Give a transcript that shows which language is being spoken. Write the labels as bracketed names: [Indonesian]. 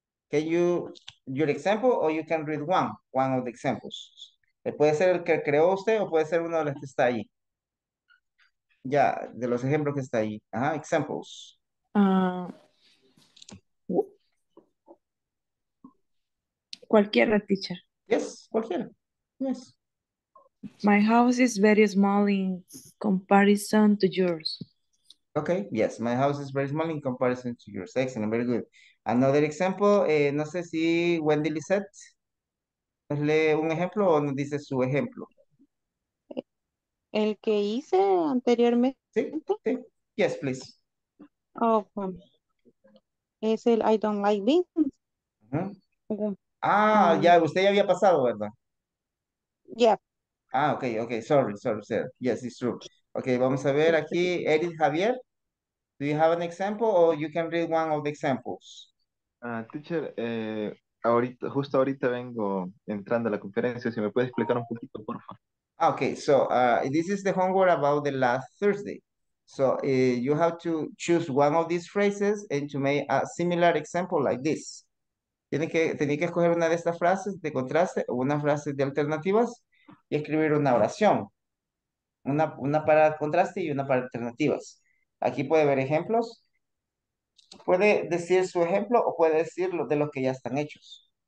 [English] Can you your example or you can read one of the examples? [Spanish] Puede ser el que creó usted o puede ser uno de los que está ahí. Ya, yeah, de los ejemplos que está ahí. Ajá, examples. Cualquiera, teacher. [English] Yes, cualquiera. Yes. My house is very small in comparison to yours. Okay, yes, my house is very small in comparison to yours. Excellent, very good. Another example, [Spanish] no sé si Wendy Lisette nos lee un ejemplo o nos dice su ejemplo. El que hice anteriormente. Sí, sí. [English] Yes, please. Oh, [Spanish] es el [English] I don't like beans. [Spanish] Uh-huh. Ah, ya, usted ya había pasado, ¿verdad? [English] Yeah. Ah, okay, okay, sorry, sorry, sir. Yes, it's true. Okay, [Spanish] vamos a ver aquí, [English] Edith Javier. Do you have an example or you can read one of the examples? [Spanish] Teacher, ahorita, justo ahorita vengo entrando a la conferencia, si me puede explicar un poquito, por favor. [English] Okay, so this is the homework about the last Thursday. So you have to choose one of these phrases and to make a similar example like this. [Spanish] Tiene que escoger una de estas frases de contraste o una frase de alternativas y escribir una oración. Una para contraste y una para alternativas. Aquí puede ver ejemplos. Puede decir su ejemplo o puede decir lo de los que ya están hechos.